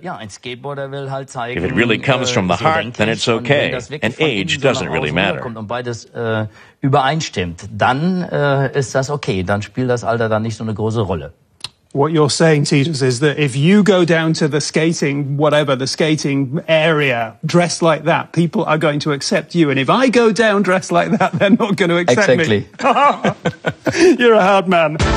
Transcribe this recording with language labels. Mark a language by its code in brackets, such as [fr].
[en] If it really comes from the heart, then it's okay. And age doesn't really matter. [de] Übereinstimmt, dann ist das okay, dann spielt das Alter dann nicht so eine große Rolle. [en] What you're saying, Titus, is that if you go down to the skating, whatever, the skating area, dressed like that, people are going to accept you. And if I go down dressed like that, they're not going to accept exactly. me. Exactly. You're a hard man.